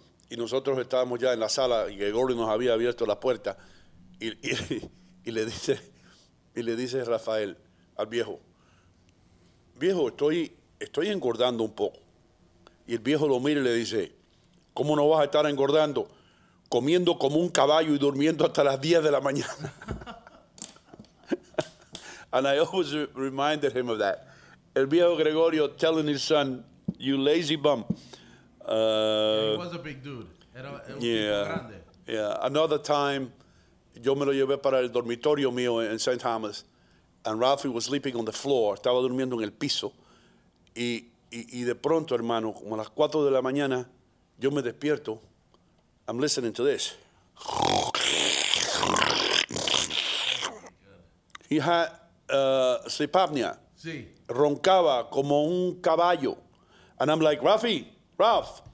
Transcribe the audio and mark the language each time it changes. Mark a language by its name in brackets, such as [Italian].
[Spanish] Y nosotros estábamos ya en la sala y Gregorio nos había abierto la puerta y le dice Rafael al viejo, viejo, estoy engordando un poco. Y el viejo lo mira y le dice, ¿cómo no vas a estar engordando? Comiendo como un caballo y durmiendo hasta las 10 de la mañana. [English] And I always reminded him of that. El viejo Gregorio telling his son, you lazy bum. He was a big dude. Yeah. [Spanish] Another time, yo me lo llevé para el dormitorio mío en St. [English] Thomas, and Rafi was sleeping on the floor. [Spanish] Estaba durmiendo en el piso. Y de pronto, hermano, como a las 4 de la mañana, yo me despierto. [English] I'm listening to this. He had sleep apnea. [Spanish] Sí. Roncaba como un caballo. And I'm like, Rafi, Ralph.